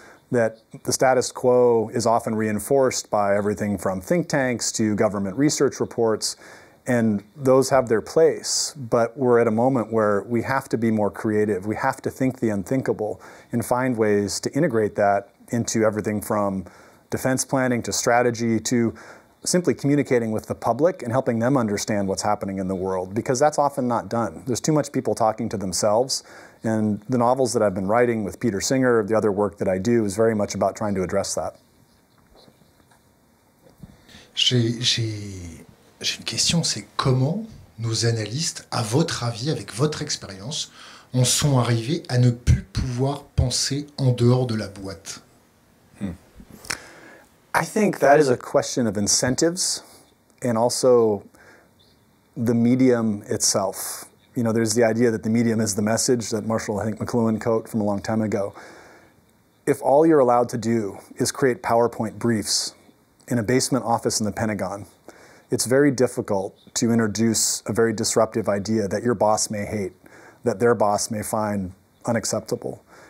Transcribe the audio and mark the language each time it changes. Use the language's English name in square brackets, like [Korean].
[English] That the status quo is often reinforced by everything from think tanks to government research reports, and those have their place, but we're at a moment where we have to be more creative, we have to think the unthinkable and find ways to integrate that into everything from defense planning to strategy to simply communicating with the public and helping them understand what's happening in the world, because that's often not done. There's too much people talking to themselves, and the novels that I've been writing with Peter Singer, the other work that I do, is very much about trying to address that. [French] J'ai une question, c'est comment nos analystes, à votre avis, avec votre expérience, en sont arrivés à ne plus pouvoir penser en dehors de la boîte? [English] I think that is a question of incentives and also the medium itself. You know, there's the idea that the medium is the message that Marshall, I think, McLuhan quote from a long time ago. If all you're allowed to do is create PowerPoint briefs in a basement office in the Pentagon, it's very difficult to introduce a very disruptive idea that your boss may hate, that their boss may find unacceptable.